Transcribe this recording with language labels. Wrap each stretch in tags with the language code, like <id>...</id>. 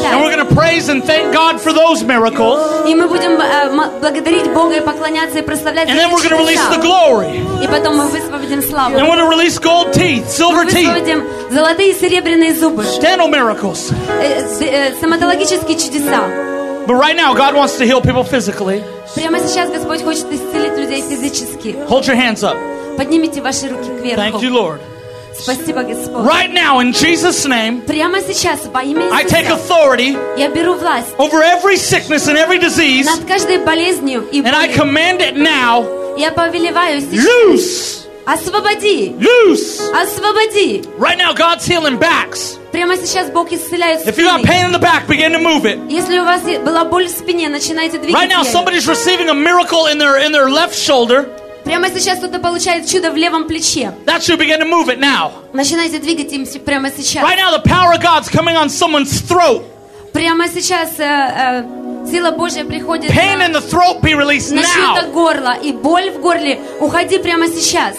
<en>And we're going to praise and thank God for those miracles.</en> <ru>И мы будем благодарить Бога и поклоняться и прославлять Его.</ru> <en>And then we're going to release the glory.</en> <ru>И потом мы высвободим славу.</ru> <en>And we're going to release gold teeth, silver teeth.</en> <ru>Мы высвободим золотые и серебряные зубы.</ru> <en>Dental miracles.</en> <ru>Стоматологические чудеса.</ru> <en>But right now, God wants to heal people physically.</en> <ru>Прямо сейчас Господь хочет исцелить людей физически.</ru> <en>Hold your hands up.</en> <ru>Поднимите ваши руки кверху.</ru> <en>Thank you, Lord.</en> <ru>Спасибо, Господь.</ru> <en>Right now, in Jesus' name,</en> <ru>прямо сейчас, во имя Иисуса,</ru> <en>I take authority,</en> <ru>я беру власть</ru> <en>over every sickness and every disease,</en> <ru>над каждой болезнью и болью,</ru> <en>and I command it now,</en> <ru>я повелеваю сейчас,</ru> <en>loose,</en> <ru>освободи,</ru> <en>loose,</en> <ru>освободи.</ru> <en>Right now, God's healing backs.</en> <ru>Прямо сейчас Бог исцеляет спины.</ru> <en>If you got pain in the back, begin to move it.</en> <ru>Если у вас была боль в спине, начинайте двигать ее.</ru> <en>Right now, somebody's receiving a miracle in their left shoulder.</en> <ru>Прямо сейчас кто-то получает чудо в левом плече.</ru> <en>That should begin to move it now.</en> <ru>Начинайте двигать им прямо сейчас.</ru> <en>Right now, the power of God's coming on someone's throat.</en> <ru>Прямо сейчас сила Божья приходит.</ru> <en>Pain in the throat, be released now.</en> <ru>На чьё-то горло и боль в горле, уходи прямо сейчас.</ru>